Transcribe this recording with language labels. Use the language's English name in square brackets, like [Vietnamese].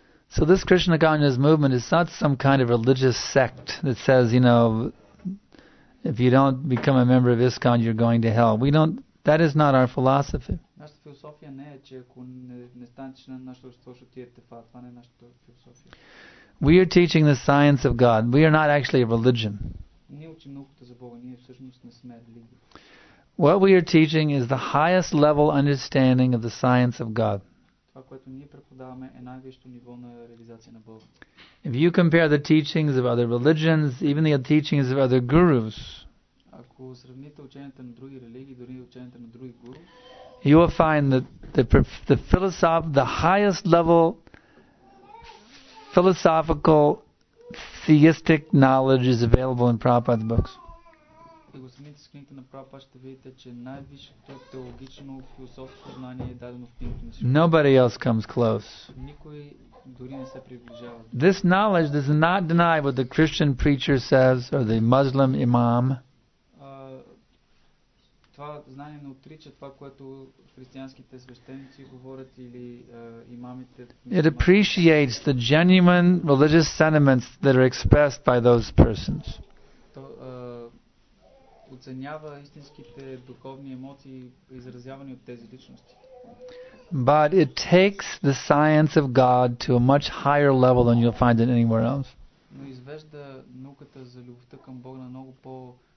[English] So this Krishna Kanya's movement is not some kind of religious sect that says, you know, if you don't become a member of ISKCON, you're going to hell. We don't, that is not our philosophy. [Bulgarian] Нашата философия не е, че ако не станеш на нашето общество, ще отидете в ад. Това не е нашата философия. [English] We are teaching the science of God. We are not actually a religion. [Bulgarian] Ние учим науката за Бога. Ние всъщност не сме религия. [English] What we are teaching is the highest level understanding of the science of God. [Bulgarian] Това, което ние преподаваме, е най-висшето ниво на реализация на Бога. [English] If you compare the teachings of other religions, even the teachings of other gurus, [Bulgarian] ако сравните ученията на други религии, дори ученията на други гуру, [English] you will find that the philosoph, the highest level philosophical theistic knowledge is available in Prabhupada's books. [Bulgarian] И го смените с книгите на Прабхупада, ще видите, че най-висшето теологично философско знание е дадено в книгите на Шрила. [English] Nobody else comes close. [Bulgarian] Никой дори не се приближава. [English] This knowledge does not deny what the Christian preacher says or the Muslim imam. [Bulgarian] Това знание не отрича това, което християнските свещеници говорят или имамите. [English] It appreciates the genuine religious sentiments that are expressed by those persons. [Bulgarian] То оценява истинските духовни емоции, изразявани от тези личности. [English] But it takes the science of God to a much higher level than you'll find it anywhere else. [Bulgarian] Но извежда науката за любовта към Бога на много по